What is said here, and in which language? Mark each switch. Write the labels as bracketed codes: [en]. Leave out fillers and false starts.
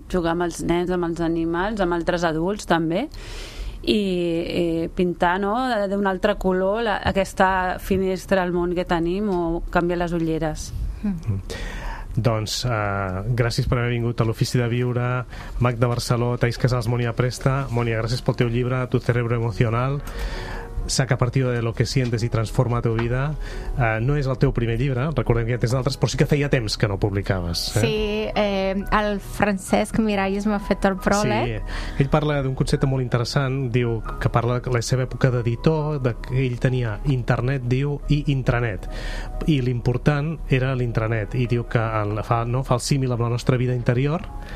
[ca] Jugar amb els nens, amb els animals, amb altres adults també, i pintar, no?, d'un altre color aquesta finestra al món que tenim, o canviar les ulleres. Doncs gràcies per haver vingut a l'Ofici de Viure, Magda Barceló, Thais Casals, Mònia Presta. Mònia, gràcies pel teu llibre, Tu cerebro emocional. [es] Saca partido de lo que sientes y transforma tu vida. [ca] No és el teu primer llibre, recordem que ja tens d'altres, però sí que feia temps que no publicaves, eh? Sí, el Francesc Miralles m'ha fet el pròleg. Sí, ell parla d'un concepte molt interessant, diu que parla de la seva època d'editor, que ell tenia internet, diu, i intranet, i l'important era l'intranet, i diu que fa el símil amb la nostra vida interior.